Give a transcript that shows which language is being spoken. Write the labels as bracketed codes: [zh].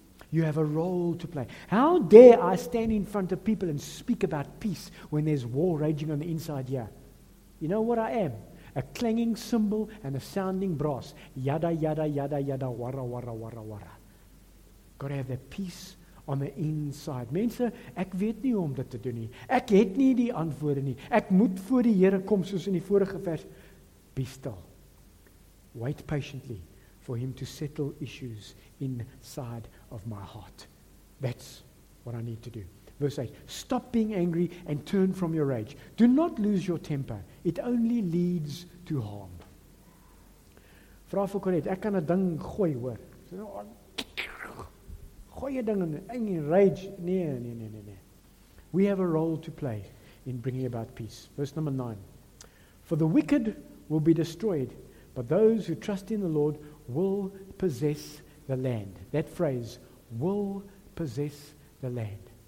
[en] You have a role to play. How dare I stand in front of people and speak about peace when there's war raging on the inside here? You know what I am? A clanging cymbal and a sounding brass. Yada, yada, yada, yada, wara, wara, wara, wara. Got to have that peace on the inside. [af] Mense, ek weet nie hoe om dit te doen nie. Ek het nie die antwoorde nie. Ek moet voor die Here kom soos in die vorige vers. [en] Be still. Wait patiently for Him to settle issues inside of my heart. That's what I need to do. Verse 8, stop being angry and turn from your rage. Do not lose your temper. It only leads to harm. [af] Vraag vir Colette, ek kan 'n ding gooi hoor. Gooi 'n ding in rage. Nee. [en] We have a role to play in bringing about peace. Verse number 9, for the wicked will be destroyed, but those who trust in the Lord will possess the land. That phrase, will possess the land.